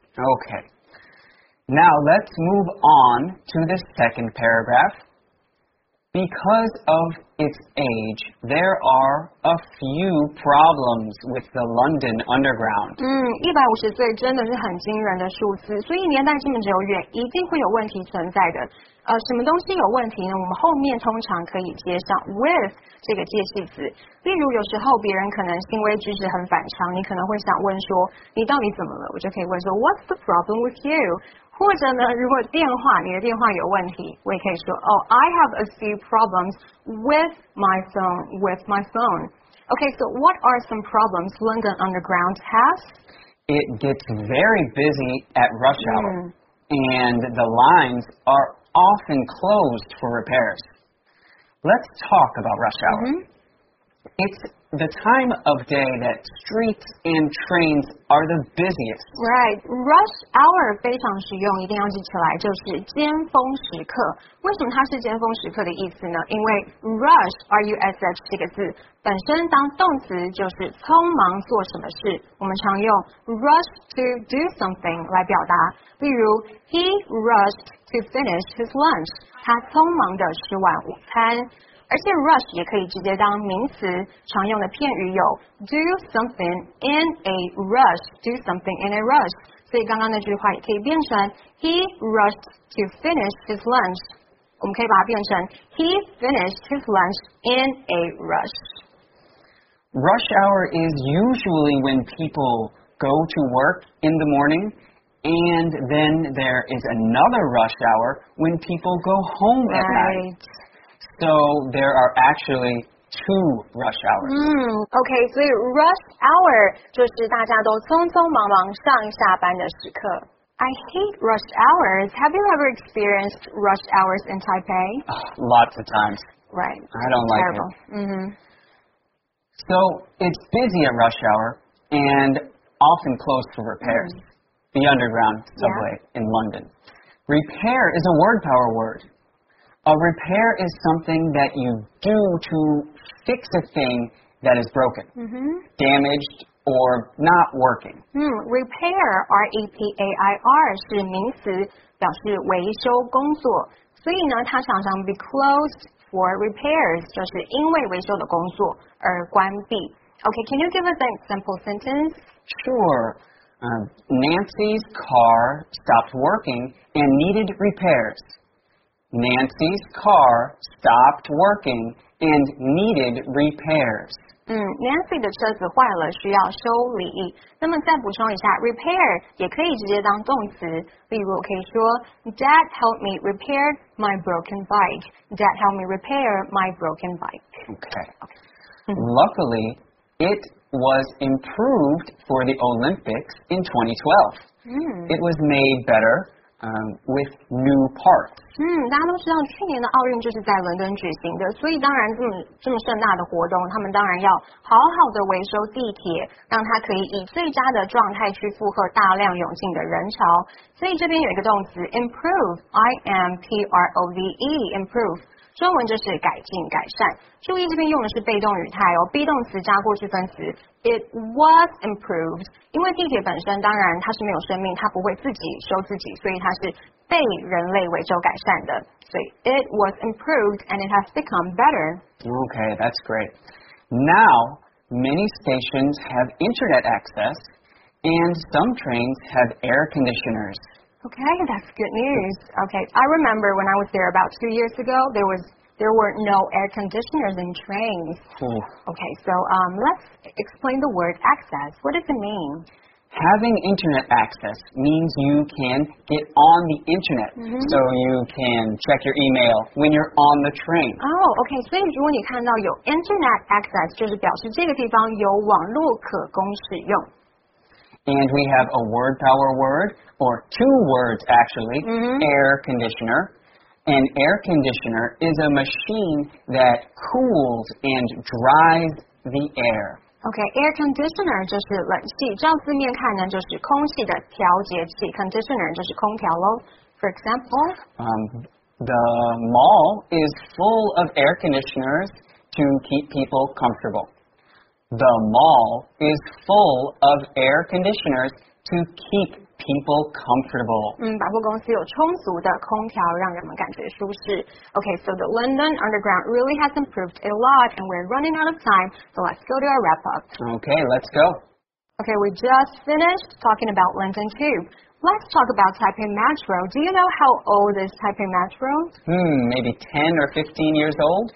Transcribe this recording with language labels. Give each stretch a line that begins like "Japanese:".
English: Okay Now let's move on to the second paragraph Because of its age, there are a few problems with the London Underground.
Chinese: 150岁真的是很惊人的数字，所以年代这么久远，一定会有问题存在的。什么东西有问题呢？我们后面通常可以接上 with 这个介系词。例如，有时候别人可能行为举止很反常，你可能会想问说，你到底怎么了？我就可以问说
English: What's the problem with you?
Chinese: 或者呢，如果电话你的电话有问题，我也可以说 ，
English: Oh, I have a few problems with my phone. With my phone. Okay, so what are some problems London Underground has? It gets very busy at rush hour, and the lines are often closed for repairs. Let's talk about rush hour. Mm-hmm. It's the time of day that streets and trains are the busiest. Right.
Chinese: Rush hour 非常实用，一定要记起来，就是尖峰时刻。为什么它是尖峰时刻的意思呢？因为 rush, R-U-S-H 这个字本身当动词就是匆忙做什么事。我们常用
English: rush to do something
Chinese: 来表达。例如
English: ,he rushed to finish his lunch.
Chinese: 他匆忙地吃完午餐。而且 rush 也可以直接当名词，常用的片语有
English: do something in a rush, do something in a rush.
Chinese: 所以刚刚那句话也可以变成
English: he rushed to finish his lunch.
Chinese: 我们可以把它变成
English: he finished his lunch in a rush. Rush hour is usually when people go to work in the morning, and then there is another rush hour when people go home at night. So there are actually two rush hours. Okay, so
Chinese: rush hour 就是大家都匆匆忙忙上下班的时刻。
English: I hate rush hours. Have you ever experienced rush hours in Taipei? Lots of times. Right. I don't like it. So it's busy at rush hour and often closed for repairs. The underground subway in London. Repair is a word power word. A repair is something that you do to fix a thing that is broken, damaged, or not working.
Chinese: Repair, R-E-P-A-I-R, 是名词，表示维修工作。所以呢，它常常
English: be closed for repairs,
Chinese: 就是因为维修的工作而关闭。
English: Okay, can you give us an example sentence? Sure. Nancy's car stopped working and needed repairs. Nancy's car stopped working and needed repairs.
Chinese: Nancy 的车子坏了，需要修理。那么再补充一下 ，repair 也可以直接当动词。例如，我可以说
English: ，Dad helped me repair my broken bike. Dad helped me repair my broken bike. Okay. Luckily, it was improved for the Olympics in 2012. It was made better. With new parts.
Chinese: 大家都知道去年的奥运就是在伦敦举行的，所以当然这么盛大的活动，他们当然要好好的维修地铁，让它可以以最佳的状态去负荷大量涌进的人潮。所以这边有一个动词 improve, I-M-P-R-O-V-E, improve, 中文就是改进改善。注意这边用的是被动语态哦， be 动词加过去分词
English: It was improved,
Chinese: 因为地铁本身当然它是没有生命，它不会自己修自己，所以它是被人类维修改善的。所以
English: it was improved and it has become better. Okay, that's great. Now, many stations have internet access and some trains have air conditioners. Okay, that's good news. Okay, I remember when I was there about 2 years ago, There were no air conditioners in trains. Okay, so let's explain the word access. What does it mean? Having internet access means you can get on the internet. So you can check your email when you're on the train. Oh, okay.
Chinese: 所以如果你看到有 internet access, 就是表示这个地方有网络可供使用。
English: And we have a word power word, or two words actually, air conditioner. An air conditioner is a machine that cools and dries the air.
Chinese: Okay, air conditioner 就是冷气，照字面看呢，就是空气的调节器。 Conditioner 就是空调喽。
English: For example, The mall is full of air conditioners to keep people comfortable. The mall is full of air conditioners to keep. People comfortable.
Chinese: 百货公司有充足的空调让人们感觉舒适。
English: Okay, so the London Underground really has improved a lot, and we're running out of time, so let's go to our wrap-up. Okay, let's go. Okay, we just finished talking about London Tube. Let's talk about Taipei Metro. Do you know how old is Taipei Metro? Maybe 10 or 15 years old?